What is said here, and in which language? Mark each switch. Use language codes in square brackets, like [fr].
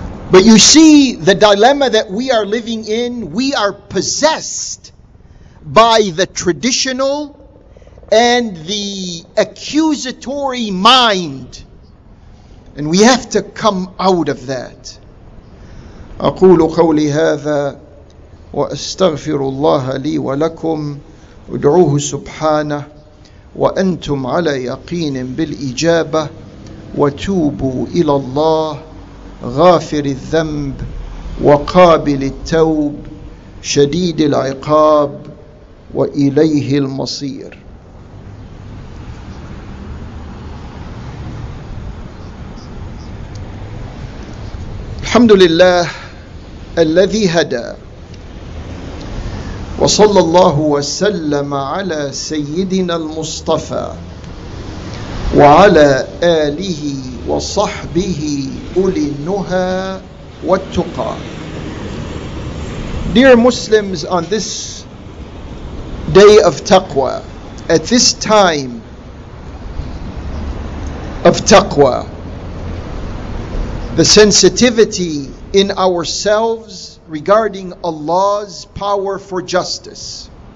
[en] But you see the dilemma that we are living in. We are possessed by the traditional and the accusatory mind. And we have to come out of that. [ar] أقول قولي هذا وأستغفر الله لي ولكم ودعوه سبحانه وأنتم على يقين بالإجابة وتوبوا إلى الله غافر الذنب وقابل التوب شديد العقاب وإليه المصير. الحمد لله الذي هدى وصلى الله وسلم على سيدنا المصطفى وعلى آله وصحبه أولي النهى والتقى. [en] Dear Muslims, on this day of taqwa, at this time of taqwa, the sensitivity in ourselves regarding Allah's power for justice.